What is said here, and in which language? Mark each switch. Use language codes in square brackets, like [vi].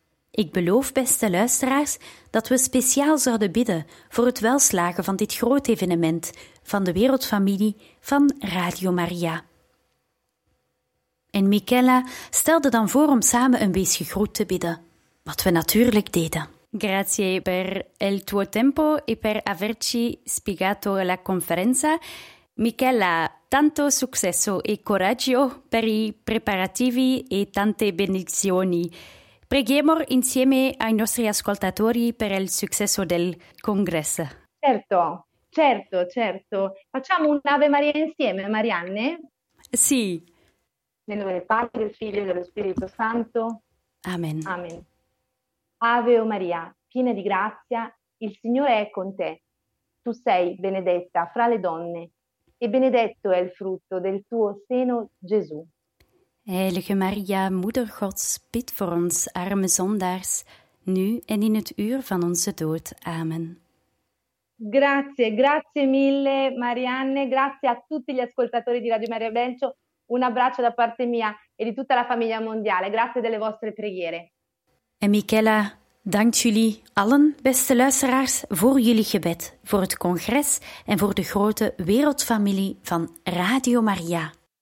[nl] Ik beloof, beste luisteraars, dat we speciaal zouden bidden voor het welslagen van dit groot evenement van de Wereldfamilie van Radio Maria. En Michaela stelde dan voor om samen een wees gegroet te bidden, wat we natuurlijk deden. [it] Grazie per il tuo tempo e per averci spiegato la conferenza. Michaela, tanto successo e coraggio per i preparativi e tante benedizioni. Preghiamo insieme ai nostri ascoltatori per il successo del congresso. Certo, certo, certo. Facciamo un Ave Maria insieme, Marianne? Sì. Nel nome del Padre, del Figlio e dello Spirito Santo. Amen. Amen. Ave o Maria, piena di grazia, il Signore è con te. Tu sei benedetta fra le donne e benedetto è il frutto del tuo seno, Gesù. [nl] Heilige Maria, Moeder Gods, bid voor ons arme zondaars, nu en in het uur van onze dood. Amen. [it] Grazie, grazie mille, Marianne. Grazie a tutti gli ascoltatori di Radio Maria Belcio. Un abbraccio da parte mia e di tutta la famiglia mondiale. Grazie delle vostre preghiere. [nl] En Michaela, dank jullie allen, beste luisteraars, voor jullie gebed, voor het congres en voor de grote wereldfamilie van Radio Maria.